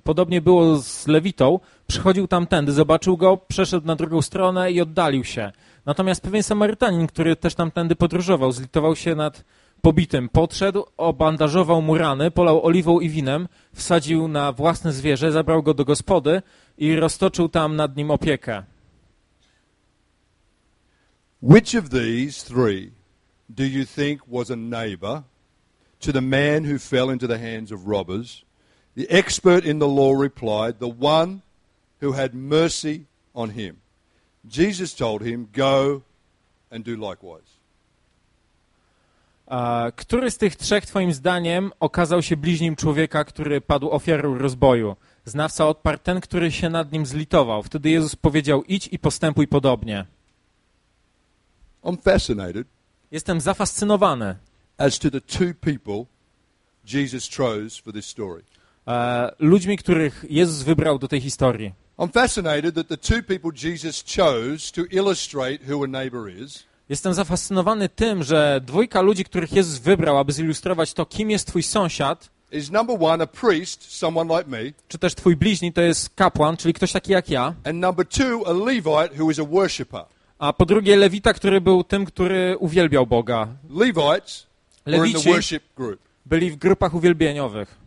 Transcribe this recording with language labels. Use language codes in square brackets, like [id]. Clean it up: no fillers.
[pl] Podobnie było z Lewitą. Przychodził tamtędy, zobaczył go, przeszedł na drugą stronę i oddalił się. Natomiast pewien Samarytanin, który też tamtędy podróżował, zlitował się nad pobitym. Podszedł, obandażował mu rany, polał oliwą i winem, wsadził na własne zwierzę, zabrał go do gospody i roztoczył tam nad nim opiekę. [en] Which of these three do you think was a neighbor to the man who fell into the hands of robbers? The expert in the law replied, "The one who had mercy on him." Jesus told him, "Go and do likewise." [pl] Który z tych trzech twoim zdaniem okazał się bliźnim człowieka, który padł ofiarą rozboju? Znawca odparł, ten, który się nad nim zlitował. Wtedy Jezus powiedział, idź i postępuj podobnie. [en] I'm fascinated. [pl] Jestem zafascynowany. [en] As to the two people Jesus chose for this story. [pl] Ludźmi, których Jezus wybrał do tej historii. [en] I'm fascinated that the two people Jesus chose to illustrate who a neighbor is. [pl] Jestem zafascynowany tym, że dwójka ludzi, których Jezus wybrał, aby zilustrować to, kim jest twój sąsiad. [en] Is number one a priest, someone like me. [pl] Czy też twój bliźni to jest kapłan, czyli ktoś taki jak ja. [en] And number two a Levite who is a worshipper. [pl] A po drugie Lewita, który był tym, który uwielbiał Boga. Lewici byli w grupach uwielbieniowych.